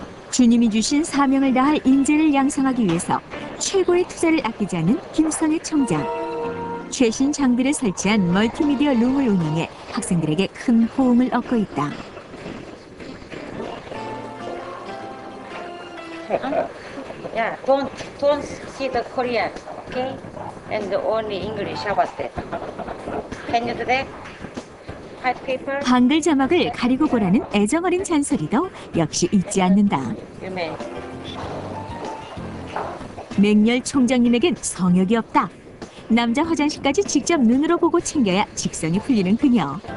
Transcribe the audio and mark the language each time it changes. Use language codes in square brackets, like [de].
[ko] 주님이 주신 사명을 다할 인재를 양성하기 위해서 최고의 투자를 아끼지 않는 김성애 총장. 최신 장비를 설치한 멀티미디어 룸을 운영해 학생들에게 큰 호응을 얻고 있다. [en] 야, yeah, don't see the Korean, okay? And only English about that. Can you do that? [ko] 한글 자막을 가리고 보라는 애정어린 잔소리도 역시 잊지 않는다. 맹렬 총장님에겐 성역이 없다. 남자 화장실까지 직접 눈으로 보고 챙겨야 직성이 풀리는 그녀.